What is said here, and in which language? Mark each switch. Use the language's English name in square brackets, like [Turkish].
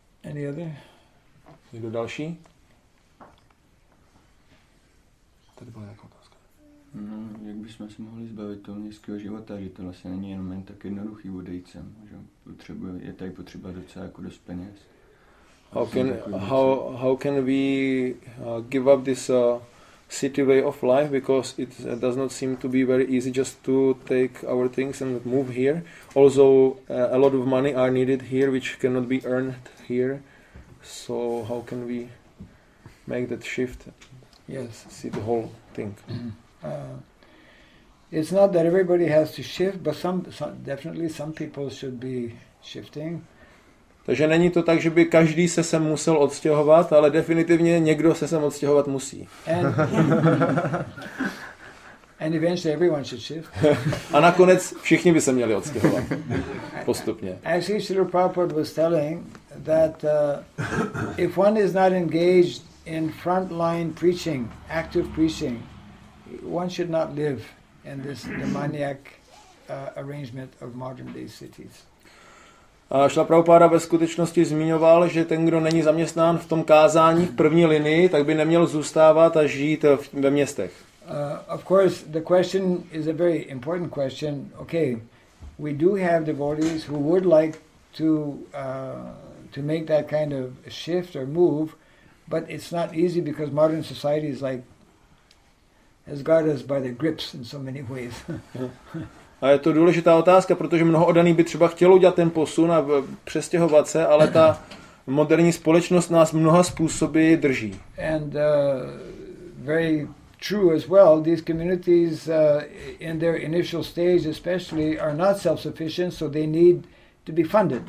[English] Any other? [Czech] Někdo další? Tady byla nějaká otázka. No, jak bychom se mohli zbavit toho městského života, že to vlastně není jenom jen tak jednoduchý odejít sem, že je tady potřeba docela jako dost peněz. [English] How can we give up this city way of life, because it does not seem to be very easy just to take our things and move here. Also, a lot of money are needed here, which cannot be earned here. So how can we make that shift? Yes. See the whole thing. It's not that everybody has to shift, but some people should be shifting. [Czech] Takže není to tak, že by každý se sem musel odstěhovat, ale definitivně někdo se sem odstěhovat musí. [English] And eventually everyone should shift. [Czech] A nakonec všichni by se měli odstěhovat postupně. [English] Actually, Srila Prabhupada was telling that if one is not engaged in frontline preaching, active preaching, one should not live in this demoniac arrangement of modern day cities. [Czech] A Šla Prabhupáda ve skutečnosti zmiňoval, že ten, kdo není zaměstnán v tom kázání v první linii, tak by neměl zůstávat a žít ve městech. [English] Of course, the question is a very important question. Okay, we do have devotees who would like to make that kind of shift or move, but it's not easy because modern society is like has got us by the grips in so many ways. [Czech] A je to důležitá otázka, protože mnoho oddaných by třeba chtělo udělat ten posun a přestěhovat se, ale ta moderní společnost nás mnoha způsoby drží. [English] And very true as well, these communities in their initial stage especially are not self-sufficient, so they need to be funded.